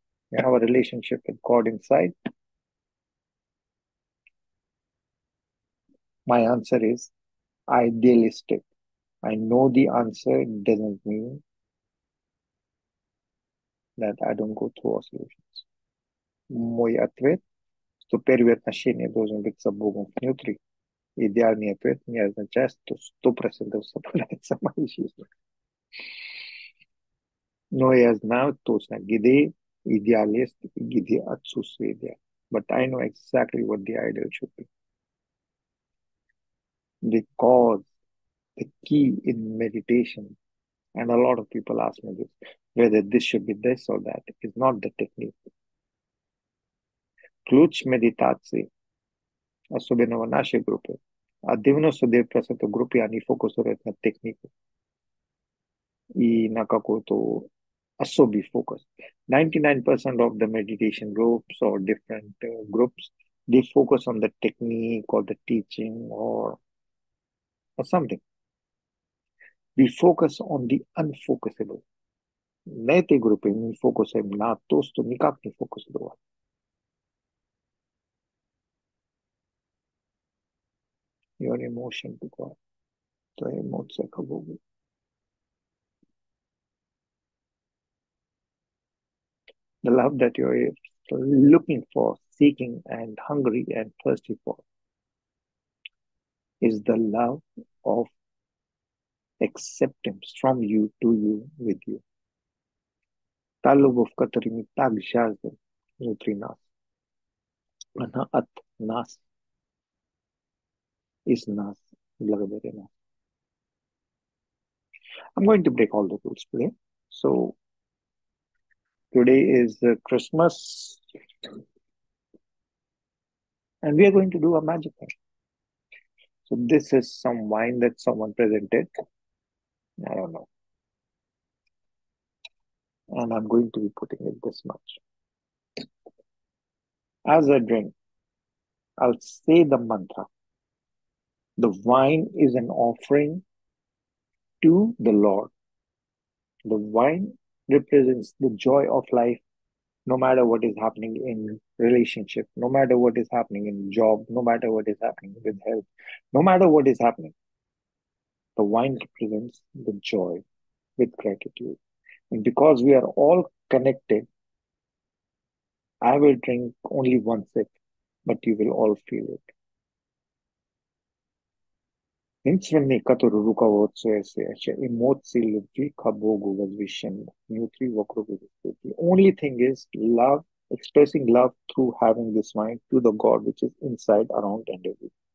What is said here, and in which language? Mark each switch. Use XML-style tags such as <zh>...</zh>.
<en>You have a relationship with God inside? My answer is idealistic. I know the answer doesn't mean that I don't go through oscillations.</en> <ru>Мой ответ, что первые отношения должны быть с Богом внутри. Идеальный ответ не означает, что 100% соблюдается в моей жизни. Но я знаю точно, где идеалист и где отсутствие идеала.</ru> <en>But I know exactly what the ideal should be. Because the key in meditation, and a lot of people ask me this, whether this should be this or that is not the technique.</en> <hr>Ključ meditacije,</hr> <ru>особено в нашей группе, а 99% в группе они фокусируют на технику и на какой-то особый фокус.</ru> <en>99% of the meditation groups or different groups, they focus on the technique or the teaching or something. We focus on the unfocusable.</en> <ru>На этой группе мы фокусируем на то, что никак не фокусировать.</ru> <en>Your emotion to God.</en> <ru>Твоя эмоция к Богу.</ru> <en>The love that you are looking for, seeking and hungry and thirsty for is the love of acceptance from you to you with you.</en> <ru>Та любовь, которую мы так жаждем внутри нас, она от нас, из нас, благодаря нам.</ru> <en>I'm going to break all the rules today. So, today is Christmas, and we are going to do a magic thing. So, this is some wine that someone presented. I don't know. And I'm going to be putting it this much. As I drink, I'll say the mantra. The wine is an offering to the Lord. The wine represents the joy of life, no matter what is happening in relationship, no matter what is happening in job, no matter what is happening with health, no matter what is happening. The wine represents the joy with gratitude. And because we are all connected, I will drink only one sip, but you will all feel it.</en> <ru>Инструмент, который руководствуется эмоцией любви к Богу, возвышенной внутри вокруг любви.</ru> <en>The only thing is love, expressing love through having this mind to the God which is inside, around, and everywhere.</en>